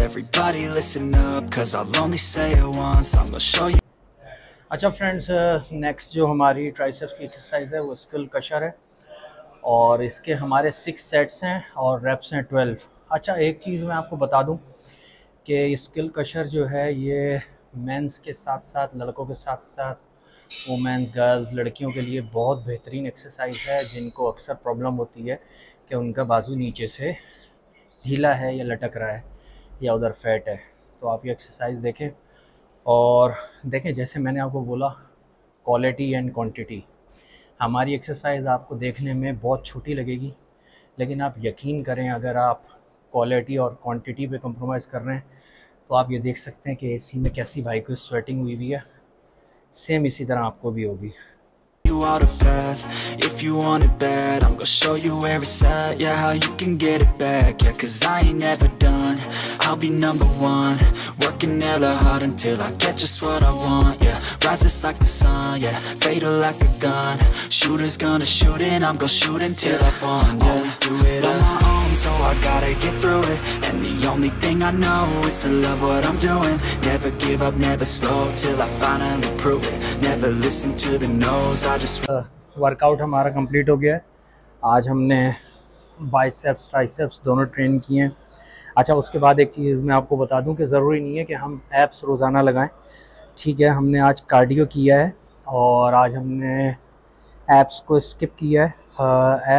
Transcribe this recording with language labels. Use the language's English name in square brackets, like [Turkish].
[English] Everybody listen up, cause I'll only say it once. I'm gonna show you. [Hindi] अच्छा friends, next जो हमारी triceps की exercise है वो स्किल कशर है और इसके हमारे 6 sets हैं और रेप्स हैं 12. अच्छा, एक चीज़ मैं आपको बता दूं कि स्किल कशर जो है ये मेंस के साथ साथ, लड़कों के साथ साथ, वुमेंस, गर्ल्स, लड़कियों के लिए बहुत बेहतरीन एक्सरसाइज है, जिनको अक्सर प्रॉब्लम होती है कि उनका बाजू नीचे से ढीला है या लटक रहा है या उधर फैट है. तो आप ये एक्सरसाइज देखें और देखें, जैसे मैंने आपको बोला, क्वालिटी एंड क्वांटिटी. हमारी एक्सरसाइज आपको देखने में बहुत छोटी लगेगी, लेकिन आप यकीन करें, अगर आप क्वालिटी और क्वांटिटी पे कंप्रोमाइज़ कर रहे हैं तो आप ये देख सकते हैं कि एसी में कैसी भाई को स्वेटिंग हुई हुई है. सेम इसी तरह आपको भी होगी. [English] You are the path, if you want it bad, I'm gonna show you where it's at, yeah, how you can get it back, yeah, cause I ain't never done, I'll be number one, working hella hard until I get just what I want, yeah, rises like the sun, yeah, fatal like a gun, shooters gonna shoot and I'm gonna shoot until I fall, yeah, always do it on my own, so I gotta get through it, and the only thing I know is to love what I'm doing, never give up, never slow, till I finally prove it, never listen to the no's, I just... [Hindi] workout हमारा complete हो गया है. आज हमने biceps triceps दोनों train किए हैं। अच्छा, उसके बाद एक चीज़ मैं आपको बता दूं कि ज़रूरी नहीं है कि हम एप्स रोज़ाना लगाएं, ठीक है। हमने आज कार्डियो किया है और आज हमने एप्स को स्किप किया है।